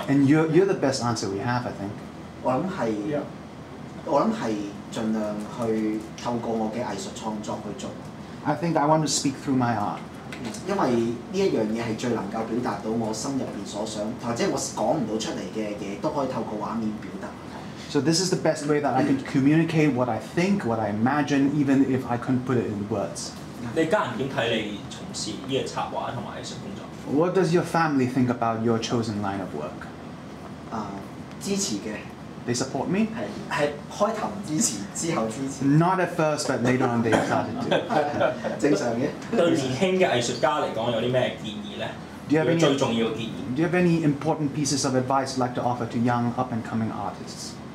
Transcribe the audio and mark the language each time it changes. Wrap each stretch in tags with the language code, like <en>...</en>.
<en>And you're the best answer we have, I think.</en> <zh>我想是盡量去透過我的藝術創作去做.</zh> <en>I think I want to speak through my art.</en> <zh>因為這件事是最能夠表達到我心裡所想,或者我講不出來的東西,都可以透過畫面表達.</zh> <en>So this is the best way that I can communicate what I think, what I imagine, even if I couldn't put it in words.</en> <zh>你家人怎麼看你從事這個策劃和藝術工作?</zh> <en>What does your family think about your chosen line of work?</en> <zh>支持的.</zh> <en>They support me?</en> <zh>是,開頭不支持,之後支持.</zh> <en>Not at first, but later on they started to.</en> <zh>正常的. 對年輕的藝術家來說有什麼建議呢?</zh> <en>Do you have any important pieces of advice you'd like to offer to young up-and-coming artists?</en>